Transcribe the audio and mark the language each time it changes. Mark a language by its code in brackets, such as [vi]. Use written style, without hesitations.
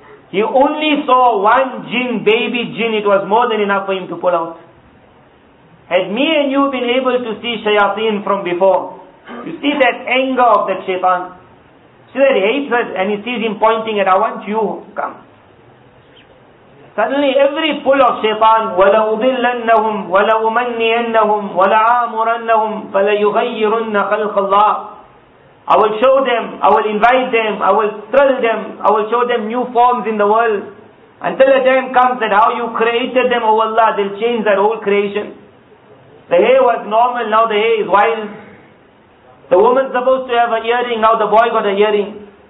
[en] He only saw one jinn, baby jinn. It was more than enough for him to pull out. Had me and you been able to see shayateen from before, you see that anger of that shaitan. See that hatred, and he sees him pointing at, I want you, come. Suddenly every pull of shaitan, [ar] وَلَا أُضِلَّنَّهُمْ وَلَا أُمَنِّيَنَّهُمْ وَلَا آمُرَنَّهُمْ فَلَا يُغَيِّرُنَّ خَلْقَ اللَّهِ. [en] I will show them, I will invite them, I will thrill them, I will show them new forms in the world. Until the time comes that how you created them, O Allah, they'll change that whole creation. The hair was normal, now the hair is wild. The woman's supposed to have an earring, now the boy got an earring.